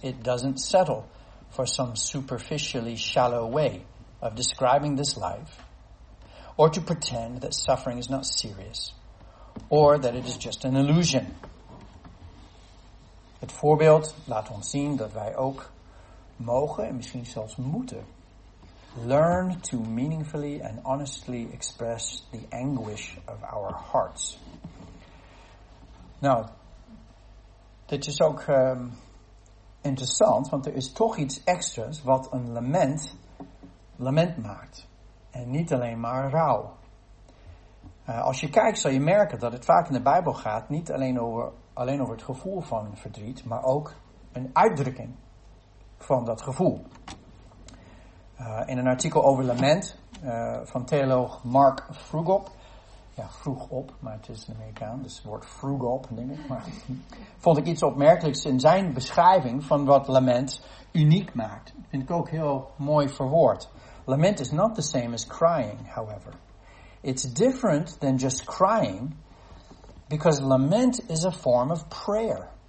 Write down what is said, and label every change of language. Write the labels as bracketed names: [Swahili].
[English] It doesn't settle for some superficially shallow way of describing this life, or to pretend that suffering is not serious, or that it is just an illusion. [Dutch] Het voorbeeld laat ons zien dat wij ook mogen en misschien zelfs moeten. [English] Learn to meaningfully and honestly express the anguish of our hearts. [Dutch] Nou, dit is ook interessant, want er is toch iets extra's wat een lament lament maakt. En niet alleen maar rouw. Als je kijkt, zal je merken dat het vaak in de Bijbel gaat niet alleen over, het gevoel van verdriet, maar ook een uitdrukking van dat gevoel. In een artikel over lament van theoloog Mark Frugop. Ja, vroeg op, maar het is een Amerikaan, dus het woord vroeg op, denk ik. Maar, vond ik iets opmerkelijks in zijn beschrijving van wat lament uniek maakt. Dat vind ik ook heel mooi verwoord. [English] Lament is not the same as crying, however. It's different than just crying, because lament is a form of prayer.